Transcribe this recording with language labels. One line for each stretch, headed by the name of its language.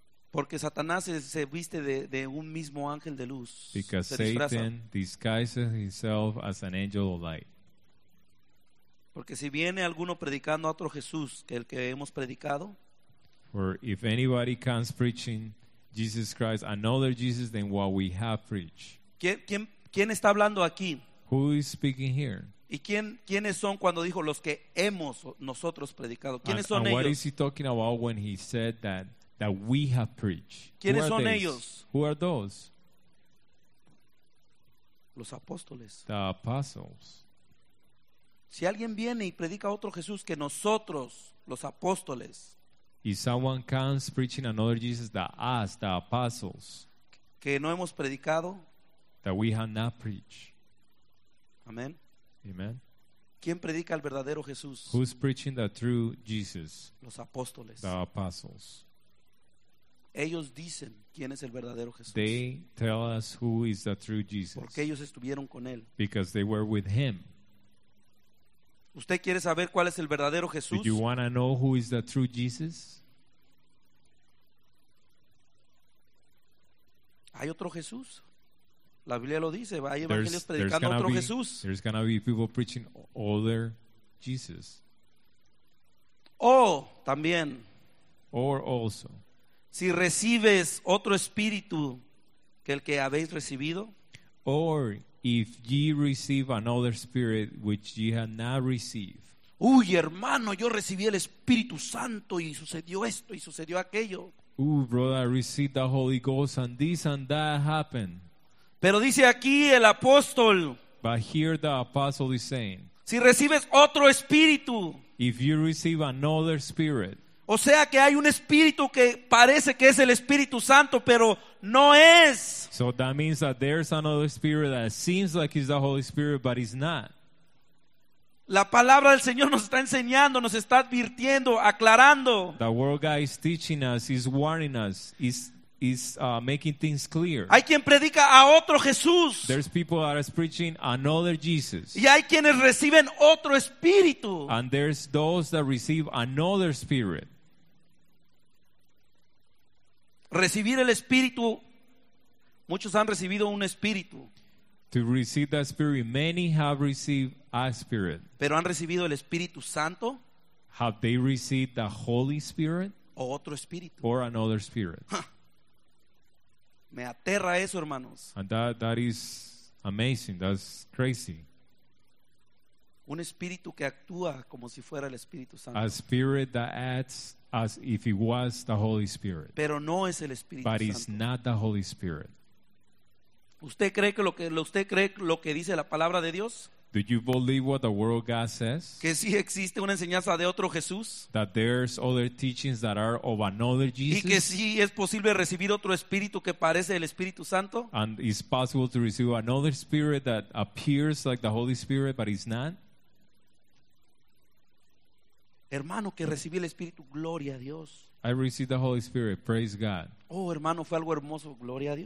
Spanish: Porque Satanás se viste de un mismo ángel de luz.
English: Because
Spanish: se
English: Satan
Spanish: disfraza.
English: Disguises himself as an angel of light.
Spanish: Porque si viene alguno predicando a otro Jesús que el que hemos predicado,
English: or if anybody comes preaching Jesus Christ, another Jesus than what we have preached.
Spanish: ¿Quién está hablando aquí?
English: Who is speaking here?
Spanish: ¿Y quiénes son cuando dijo los que hemos nosotros predicado? ¿Quiénes son ellos?
English: And what is he talking about when he said that we have preached?
Spanish: ¿Quiénes son ellos?
English: Who are those?
Spanish: Los apóstoles.
English: The apostles.
Spanish: Si alguien viene y predica otro Jesús que nosotros, los apóstoles.
English: If someone comes preaching another Jesus than us, the apostles.
Spanish: Que no hemos predicado.
English: That we have not preached.
Spanish: Amen.
English: Amen.
Spanish: ¿Quién predica el verdadero Jesús?
English: Who's preaching the true Jesus?
Spanish: Los apóstoles.
English: The apostles.
Spanish: Ellos dicen quién es el verdadero Jesús.
English: They tell us who is the true Jesus.
Spanish: Porque ellos estuvieron con él.
English: Because they were with him.
Spanish: ¿Usted quiere saber cuál es el verdadero Jesús?
English: Do you want to know who is the true Jesus?
Spanish: Hay otro Jesús. La Biblia lo dice. Hay evangelios predicando otro Jesús.
English: There's going to be people preaching other Jesus.
Spanish: Oh, también.
English: Or also.
Spanish: Si recibes otro espíritu que el que habéis recibido.
English: Or if ye receive another spirit which ye have not received.
Spanish: Uy, hermano, yo recibí el Espíritu Santo y sucedió esto y sucedió aquello.
English: Ooh, brother, I received the Holy Ghost and this and that happened.
Spanish: Pero dice aquí el apóstol.
English: But here the apostle is saying.
Spanish: Si recibes otro espíritu.
English: If you receive another spirit.
Spanish: O sea que hay un espíritu que parece que es el Espíritu Santo, pero no es.
English: So that means that there's another spirit that seems like it's the Holy Spirit, but it's not.
Spanish: La palabra del Señor nos está enseñando, nos está advirtiendo, aclarando.
English: The world guy is teaching us, is warning us, is making things clear.
Spanish: Hay quien predica a otro Jesús.
English: There's people that are preaching another Jesus.
Spanish: Y hay quienes reciben otro espíritu.
English: And there's those that receive another spirit.
Spanish: Recibir el espíritu, muchos han recibido un espíritu.
English: To receive that spirit, many have received a spirit.
Spanish: Pero han recibido el Espíritu Santo.
English: Have they received the Holy Spirit?
Spanish: O otro espíritu.
English: Or another spirit.
Spanish: Me aterra eso, hermanos.
English: And that is amazing. That's crazy.
Spanish: Un espíritu que actúa como si fuera el Espíritu Santo.
English: A spirit that acts as if it was the Holy Spirit.
Spanish: Pero no es el Espíritu Santo.
English: But it's not the Holy Spirit.
Spanish: ¿Usted cree lo que dice la palabra de Dios?
English: Do you believe what the world God says?
Spanish: Que sí existe una enseñanza de otro Jesús.
English: That there's other teachings that are of another Jesus.
Spanish: Y que sí es posible recibir otro espíritu que parece el Espíritu Santo.
English: And it's possible to receive another spirit that appears like the Holy Spirit, but it's not.
Spanish: Hermano, que recibí el Espíritu, gloria a Dios.
English: I received the Holy Spirit, praise God.
Spanish: Oh, hermano, fue algo hermoso, gloria a Dios.